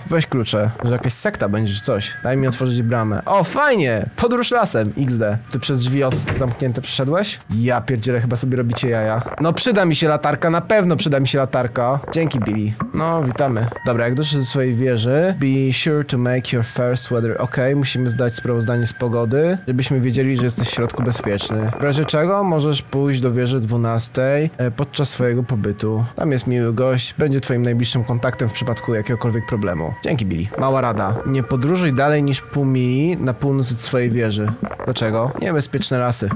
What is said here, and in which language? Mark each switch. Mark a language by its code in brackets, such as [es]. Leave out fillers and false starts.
[pl] Weź klucze, że jakaś sekta będzie czy coś. Daj mi otworzyć bramę. O, fajnie! Podróż lasem, XD. Ty przez drzwi zamknięte przeszedłeś? Ja pierdzielę, chyba sobie robicie jaja. No przyda mi się latarka, na pewno przyda mi się latarka. Dzięki, Billy. No, witamy. Dobra, jak doszedł do swojej wieży, zdarzy. [en] Be sure to make your first weather. [pl] Okej, musimy zdać sprawozdanie z pogody, żebyśmy wiedzieli, że jesteś w środku bezpieczny. W razie czego możesz pójść do wieży 12 podczas swojego pobytu. Tam jest miły gość, będzie twoim najbliższym kontaktem w przypadku jakiegokolwiek problemu. Dzięki, Billy. Mała rada. Nie podróżuj dalej niż pół mili na północ od swojej wieży. Dlaczego? Niebezpieczne lasy.